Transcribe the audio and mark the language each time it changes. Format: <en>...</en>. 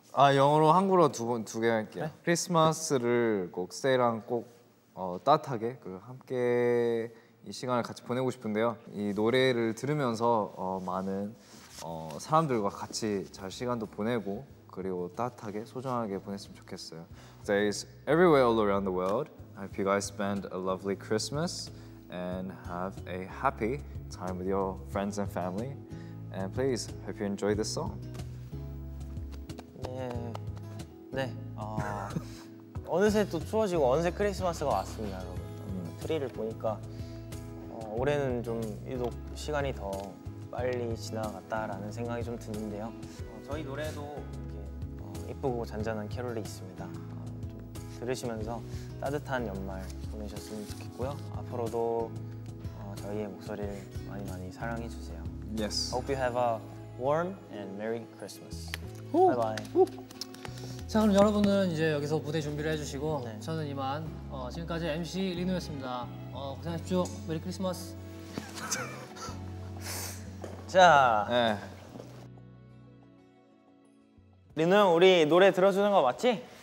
<ko>아 영어로 한국어 두 개 할게요. 네? 크리스마스를 꼭 스테이랑 꼭 따뜻하게 그 함께 이 시간을 같이 보내고 싶은데요. 이 노래를 들으면서 많은 사람들과 같이 잘 시간도 보내고 그리고 따뜻하게 소중하게 보냈으면 좋겠어요.</ko> <en>Days everywhere all around the world. I hope you guys spend a lovely Christmas and have a happy time with your friends and family. And please, hope you enjoy this song.</en> <ko>네, 네. 어느새 또 추워지고 어느새 크리스마스가 왔습니다, 여러분. 트리를 보니까 올해는 좀 유독 시간이 더 빨리 지나갔다라는 생각이 좀 드는데요. 저희 노래도 이렇게 예쁘고 잔잔한 캐롤이 있습니다. 좀 들으시면서 따뜻한 연말 보내셨으면 좋겠고요. 앞으로도 저희의 목소리를 많이 많이 사랑해 주세요.</ko> <en>Yes. Hope you have a warm and merry Christmas. Bye bye.</en> <ko>자 그럼 여러분은 이제 여기서 무대 준비를 해주시고 네. 저는 이만 지금까지 MC 리노였습니다. 고생하십시오. 메리 크리스마스. 자. 네. 리노 형 우리 노래 들어주는 거 맞지?</ko>